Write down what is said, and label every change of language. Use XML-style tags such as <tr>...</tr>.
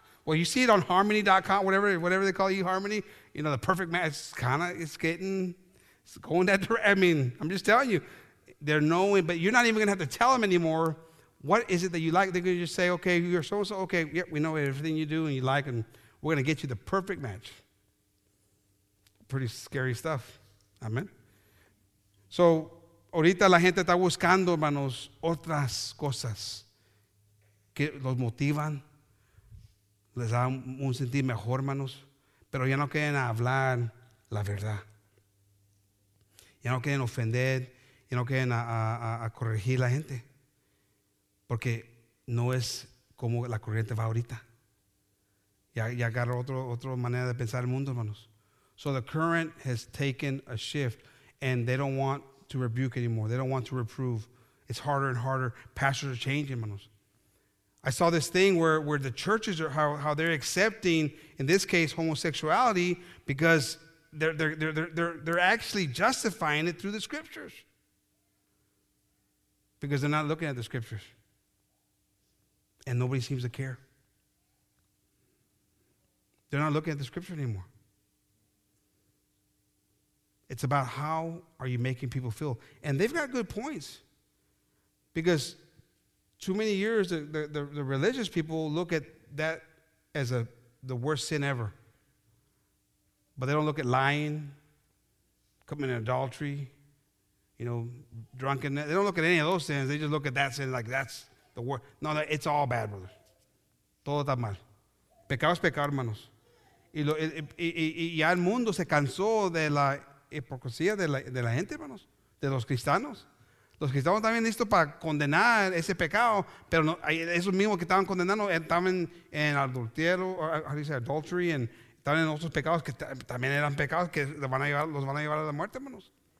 <en>Well, you see it on harmony.com, whatever they call you, Harmony. You know, the perfect match, it's going that direction. I mean, I'm just telling you, they're knowing, but you're not even going to have to tell them anymore. What is it that you like? They're going to just say, okay, you're so-and-so, okay, yeah, we know everything you do and you like, and we're going to get you the perfect match. Pretty scary stuff. Amen.</en> <es>So, ahorita la gente está buscando, hermanos, otras cosas que los motivan, les da un sentir mejor, hermanos, pero ya no quieren hablar la verdad. Ya no quieren ofender, ya no quieren a corregir la gente. Porque no es como la corriente va ahorita. Ya agarró otra manera de pensar el mundo, hermanos.</es> <en>So the current has taken a shift and they don't want to rebuke anymore. They don't want to reprove. It's harder and harder. Pastors are changing, hermanos. I saw this thing where the churches are how they're accepting, in this case, homosexuality, because they're actually justifying it through the scriptures. Because they're not looking at the scriptures. And nobody seems to care. They're not looking at the scripture anymore. It's about how are you making people feel. And they've got good points. Because too many years, the religious people look at that as the worst sin ever. But they don't look at lying, committing adultery, you know, drunkenness. They don't look at any of those sins. They just look at that sin like that's the worst. No, no, it's all bad, brother.</en> <es>Todo está mal. Pecado es pecado, hermanos. Y ya el mundo se cansó de la hipocresía de la gente, hermanos, de los cristianos. Los cristianos también listos para condenar ese pecado, pero no, esos mismos que estaban condenando estaban en adulterio, adultery, y estaban en otros pecados que también eran pecados que los van a llevar a la muerte, hermanos.</es>